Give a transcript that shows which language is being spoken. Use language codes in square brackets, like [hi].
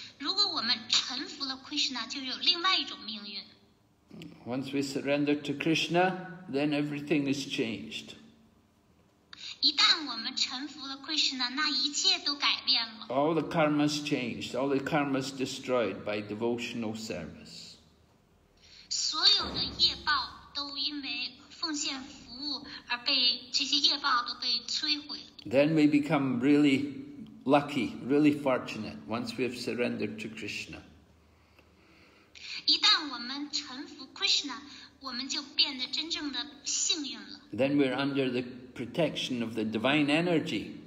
[zh] 如果我们臣服了 Krishna, 就有另外一种命运。 [en] Once we surrender to Krishna, then everything is changed. [zh] 一旦我们臣服了 Krishna, 那一切都改变了。 [en] All the karmas changed, all the karmas destroyed by devotional service. [zh] 所有的业报都因为奉献服务而被这些业报都被摧毁。 [en] Then we become really lucky, really fortunate once we have surrendered to Krishna. [zh] 一旦我们臣服 Krishna, 我们就变得真正的幸运了。 [en] Then we're under the protection of the divine energy.